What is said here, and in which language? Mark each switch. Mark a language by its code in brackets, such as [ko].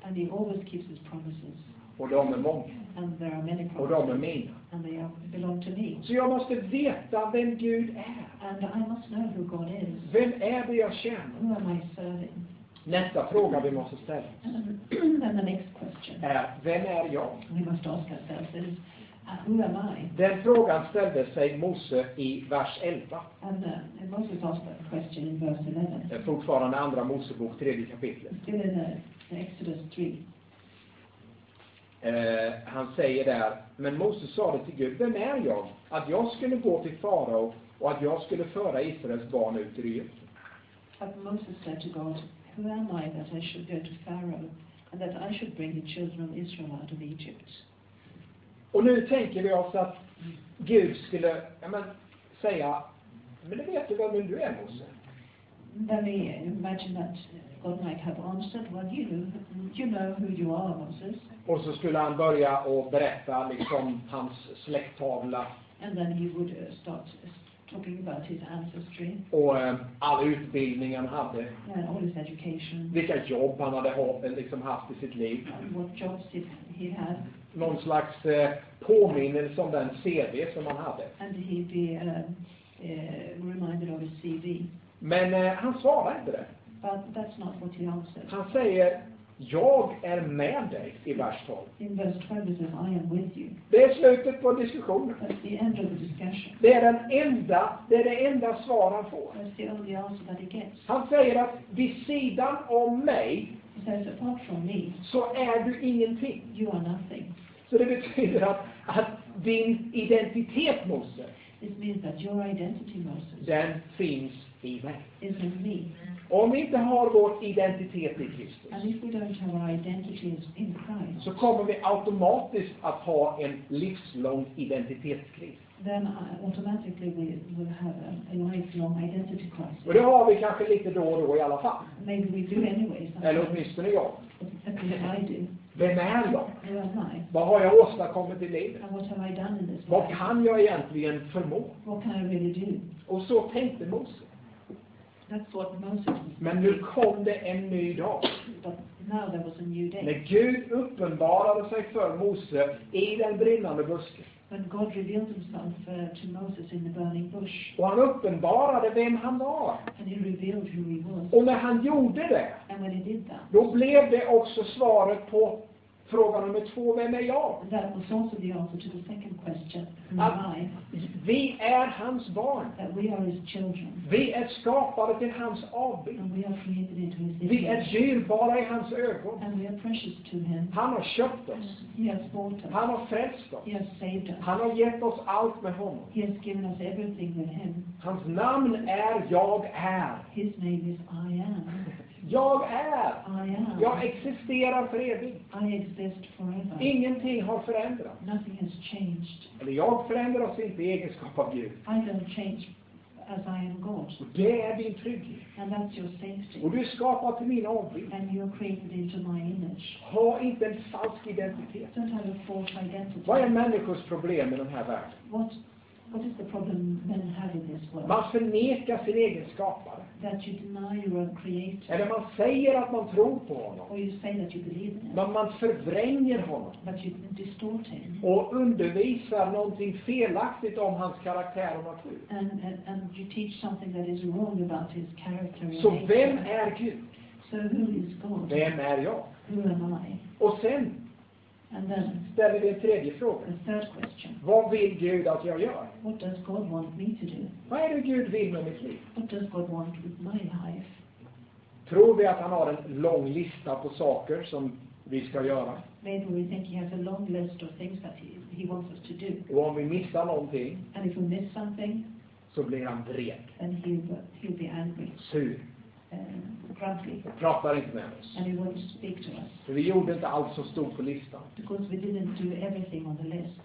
[en] And he always keeps his promises. [sv] Och de är många. [en] And there are many promises. [sv] Och de är mina. [en] And they belong to me. [sv] Så jag måste veta vem Gud är. [en] And I must know who God is. [sv] Vem är det jag tjänar? [en] Who am I serving? [sv] Nästa fråga vi måste ställa. [en] Then the next question. [sv] Vem är jag? [en] We must ask ourselves is, who am I? [sv] Den frågan ställde sig Mose i vers 11. [en] And Moses asked that question in verse 11. [sv] Det är fortfarande andra Mosebok, tredje kapitlet. [en] Still in the Exodus 3. [sv] Han säger där, men Mose sa det till Gud, vem är jag? Att jag skulle gå till farao och att jag skulle föra Israels barn ut ur Egypten. [en] But Moses said to God, who am I that I should go to Pharaoh and that I should bring the children of Israel out of Egypt? [sv] Och nu tänker vi oss att Gud skulle, ja, men, säga, men det vet du vem du är, Mose. [en] Then we imagine that God might have answered, well, you know who you are, Moses. [sv] Och så skulle han börja och berätta liksom hans släkttavla. [en] And then he would start talking about his ancestry. [sv] Och all utbildning han hade. [en] Yeah, all his education. [sv] Vilka jobb han hade haft i sitt liv. [en] What jobs he had. [sv] Någon slags påminnelse om den CV som han hade. [en] And he'd be reminded of his CV. [sv] Men han svarade inte det. [en] But that's not what he answered. [sv] Han säger, jag är med dig i vers 12. [en] In verse 12 says, I am with you. [sv] Det är slutet på diskussionen. [en] That's the end of the discussion. [sv] Det är den enda, det är det enda svar han får. [en] That's the only answer that he gets. [sv] Han säger att vid sidan om mig, [en] he says, apart from me, [sv] så är du ingenting. [en] You are nothing. [sv] Så det betyder att din identitet, Mose, [en] this means that your identity, Moses, [sv] den finns i mig. [en] Is in me. [sv] Om vi inte har vår identitet i Kristus, [en] and if we don't have our identity in Christ, [sv] så kommer vi automatiskt att ha en livslång identitetskris. [en] Then automatically we will have a lifelong identity crisis. [sv] Och det har vi kanske lite då och då i alla fall. [en] Maybe we do anyway. [sv] Eller åtminstone jag. [en] I do. [sv] Vem är jag? [en] Who am I? [sv] Vad har jag åstadkommit i livet? [en] And what have I done in this life? [sv] Vad kan jag egentligen förmå? [en] What can I really do? [sv] Och så tänkte Mose. [en] That's what Moses. [sv] Men nu kom det en ny dag. [en] But now there was a new day. [sv] När Gud uppenbarade sig för Mose i den brinnande busken. [en] When God revealed himself to Moses in the burning bush. [sv] Och han uppenbarade vem han var. [en] And he revealed who he was. [sv] Och när han gjorde det. [en] And when he did that. [sv] Då blev det också svaret på fråga nummer två, vem är jag? [en] That was also the answer to the second question, who am I? [sv] Vi är hans barn. [en] That we are his children. [sv] Vi är skapade till hans avbild. [en] And we are created into his image. [sv] Vi är dyrbara i hans ögon. [en] And we are precious to him. [sv] Han har köpt oss. [en] He has bought us. [sv] Han har frälst oss. [en] He has saved us. [sv] Han har gett oss allt med honom. [en] He has given us everything with him. [sv] Hans namn är jag är. [en] His name is I am. [sv] Jag är. [en] I am. [sv] Jag existerar för evigt. [en] I exist forever. [sv] Ingenting har förändrats. [en] Nothing has changed. [sv] Eller jag förändras inte i egenskap av Gud. [en] I don't change as I am God. [sv] Det är din trygghet. [en] And that's your safety. [sv] Och du är skapad till min avbild. [en] And you're created into my image. [sv] Ha inte en falsk identitet. [en] Don't have a false identity. [sv] Vad är människors problem i den här världen? [en] What is the problem men have in this world? [sv] Man förnekar sin egen skapare. [en] That you deny your own creator. [sv] Eller man säger att man tror på honom. [en] Or you say that you believe in him. [sv] Men man förvränger honom. [en] That you distort him. [sv] Och undervisar någonting felaktigt om hans karaktär och natur. [en] And you teach something that is wrong about his character. [sv] Så vem är Gud? [en] So who is God? [sv] Vem är jag? [en] Who am I? [sv] Och sen. [en] And then, [sv] ställer vi en tredje fråga. [en] The third question. [sv] Vad vill Gud att jag gör? [en] What does God want me to do? [sv] Vad är det Gud vill med mitt liv? [en] What does God want with my life? [sv] Tror vi att han har en lång lista på saker som vi ska göra? [en] Maybe we think he has a long list of things that he wants us to do. [sv] Och om vi missar någonting. [en] And if we miss something. [sv] Så blir han vred. [en] And he'll be angry. [sv] Sur. [en] Grumpy. [sv] Och pratar inte med oss. [en] And he won't speak to us. [sv] För vi gjorde inte allt så stort på listan. [en] Because we didn't do everything on the list.